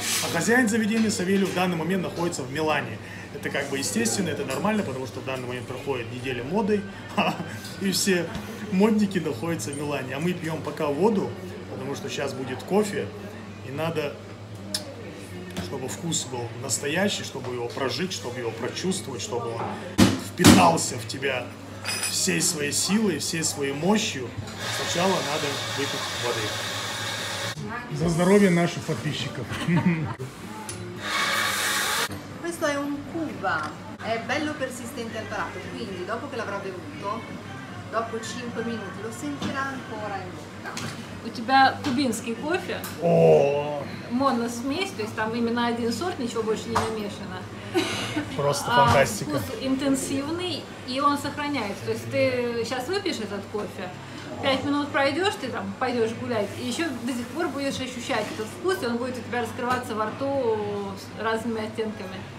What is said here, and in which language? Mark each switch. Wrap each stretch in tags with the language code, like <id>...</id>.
<ru>А хозяин заведения Савельо в данный момент находится в Милане. Это как бы естественно, это нормально, потому что в данный момент проходит неделя моды, и все модники находятся в Милане. А мы пьем пока воду, потому что сейчас будет кофе, и надо, чтобы вкус был настоящий, чтобы его прожить, чтобы его прочувствовать, чтобы он впитался в тебя всей своей силой, всей своей мощью. Сначала надо выпить воды. За здоровье наших подписчиков.</ru> <it>Questo è un cuba. È bello persistente al palato, quindi dopo che l'avrà bevuto, dopo 5 minuti lo sentirà ancora in bocca.</it> <ru>У тебя кубинский кофе? О. Моносмесь, то есть там именно один сорт, ничего больше не намешано. Просто фантастика. Вкус интенсивный, и он сохраняется. То есть ты сейчас выпьешь этот кофе, 5 минут пройдешь, ты там пойдешь гулять, и еще до сих пор будешь ощущать этот вкус, и он будет у тебя раскрываться во рту с разными оттенками.</ru>